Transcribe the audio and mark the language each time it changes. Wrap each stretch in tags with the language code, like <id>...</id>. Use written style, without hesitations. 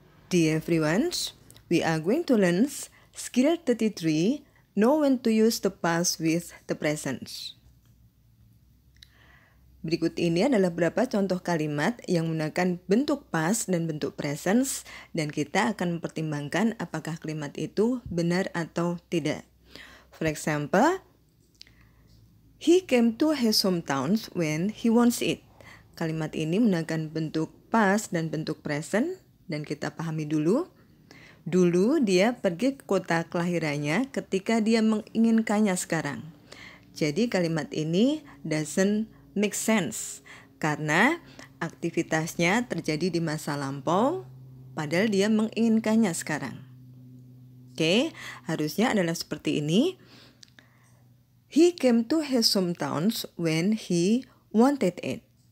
<en>Dear friends, we are going to learn skill 33, know when to use the past with the present.</en> <id>Berikut ini adalah beberapa contoh kalimat yang menggunakan bentuk past dan bentuk present, dan kita akan mempertimbangkan apakah kalimat itu benar atau tidak.</id> <en>For example, he came to his hometown when he wants it.</en> <id>Kalimat ini menggunakan bentuk past dan bentuk present. Dan kita pahami dulu. Dulu dia pergi ke kota kelahirannya ketika dia menginginkannya sekarang. Jadi kalimat ini</id> <en>doesn't make sense</en> <id>karena aktivitasnya terjadi di masa lampau padahal dia menginginkannya sekarang. Oke, harusnya adalah seperti ini.</id> <en>He came to his hometown when he wanted it.</en>